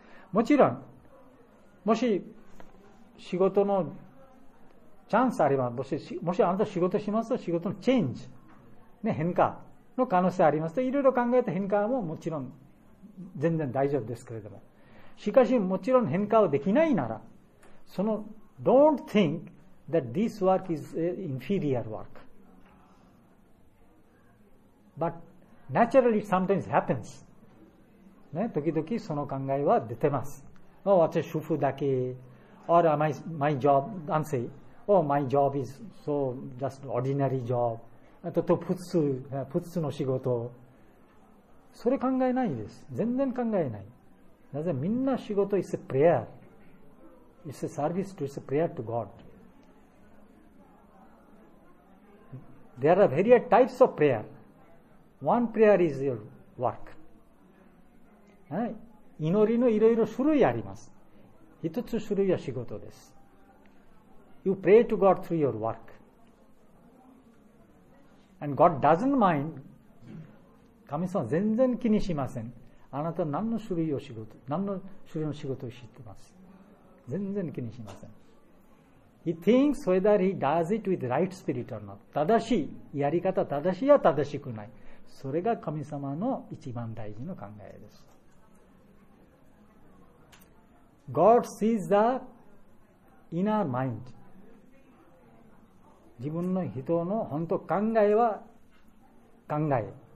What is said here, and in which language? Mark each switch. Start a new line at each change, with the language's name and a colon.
Japanese: もちろんもし仕事のチャンスあれば、もしあなた仕事しますと仕事のチェンジ、ね、変化の可能性ありますと、いろいろ考えた変化ももちろん全然大丈夫ですけれども、しかしもちろん変化をできないなら、その
English: Don't think that this work is an inferior work. But naturally it sometimes happens.
Japanese: ね、時々その考えは出てます。私は主婦だけ、
English: or my job, 男性、oh, my job is so just ordinary job.
Japanese: と普通の仕事。それ考えないです。全然考えない。なぜみんな仕事
English: is a prayer. It's a service to, it's a prayer to God. There are various types of prayer. One prayer is your work.
Japanese: 祈りのいろいろ種類あります。一つ種類は仕事です。
English: You pray to God through your work. And God doesn't mind.
Japanese: 神様全然気にしません。あなた何の種類を仕事、何の種類の仕事をしています。全然気にしません。
English: He thinks whether he does it with right spirit or not.
Japanese: 正しい、やり方正しいや正しくない。それが神様の一番大事な考えです。
English: God sees the inner mind.
Japanese: 自分の人の本当考えは考え。